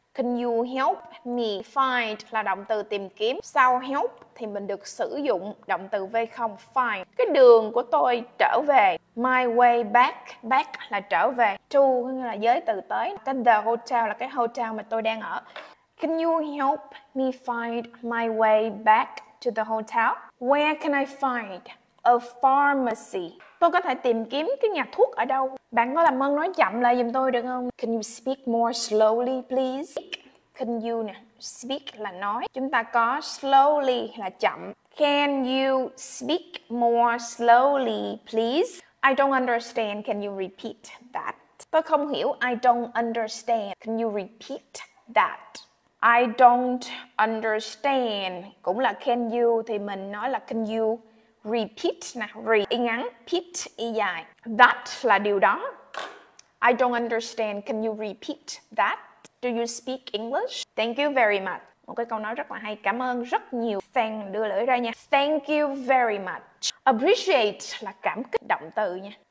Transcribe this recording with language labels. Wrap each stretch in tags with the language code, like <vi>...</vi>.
<en>Can you help me find</en> <vi>là động từ tìm kiếm. Sau help thì mình được sử dụng động từ V0 find. Cái đường của tôi trở về.</vi> <en>My way back.</en> <vi>Back là trở về. To là giới từ tới. Cái the hotel là cái hotel mà tôi đang ở.</vi> <en>Can you help me find my way back to the hotel? Where can I find a pharmacy?</en> <vi>Tôi có thể tìm kiếm cái nhà thuốc ở đâu? Bạn có làm ơn nói chậm lại giùm tôi được không?</vi> <en>Can you speak more slowly please? Can you nè, speak</en> <vi>là nói. Chúng ta có slowly là chậm.</vi> <en>Can you speak more slowly please? I don't understand. Can you repeat that?</en> <vi>Tôi không hiểu.</vi> <en>I don't understand. Can you repeat that? I don't understand.</en> <vi>Cũng là can you thì mình nói là</vi> <en>can you repeat</en> <vi>nè. Re y ngắn, pit y dài. That là điều đó.</vi> <en>I don't understand. Can you repeat that? Do you speak English? Thank you very much.</en> <vi>Một cái câu nói rất là hay. Cảm ơn rất nhiều. Fan đưa lưỡi ra nha.</vi> <en>Thank you very much.</en> <vi>Appreciate là cảm kích, động từ nha.</vi>